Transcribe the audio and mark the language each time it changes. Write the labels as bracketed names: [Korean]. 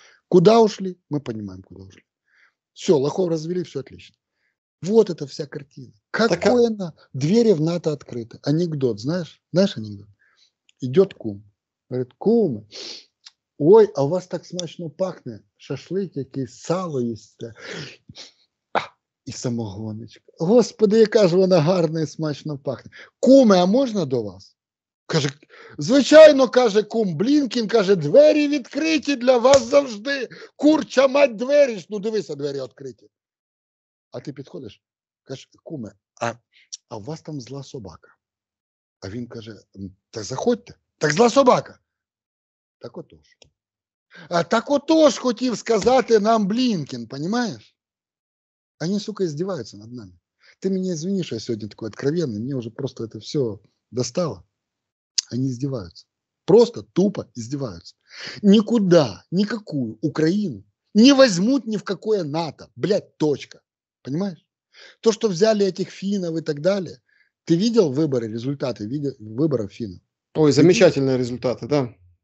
[Russian] Куда ушли, мы понимаем, куда ушли. Все, лохов развели, все отлично. Вот эта вся картина. Какой она? Двери в НАТО открыты. Анекдот, знаешь анекдот? Идет кум. Говорит, кум, ой, а у вас так смачно пахнет. Шашлык, який сало есть. А, и самогоночка. [Ukrainian] Господи, яка ж вона гарна и смачно пахнет. Куме, [Russian] а можно до вас? [Ukrainian] Каже, звичайно, каже кум Блінкен, каже, двері відкриті для вас завжди. Курча мать двері. Ну, дивися, двері відкриті. А ти підходиш, каже, куме, а у вас там зла собака. А він каже, так заходьте. Так зла собака. Так отож. А так отож хотів сказати нам Блінкен, понимаєш? [Russian] Они, сука, издеваются над нами. [Ukrainian] Ти мені [Russian] извини, [Ukrainian] що я сьогодні [Russian] такой откровенный, [Ukrainian] мені вже просто це все достало. [Russian] Они издеваются. Просто тупо издеваются. Никуда, никакую Украину не возьмут ни в какое НАТО. Блядь, точка. Понимаешь? То, что взяли этих финнов и так далее, Ты видел выборы, результаты выборов финнов? Ой, замечательные результаты, да.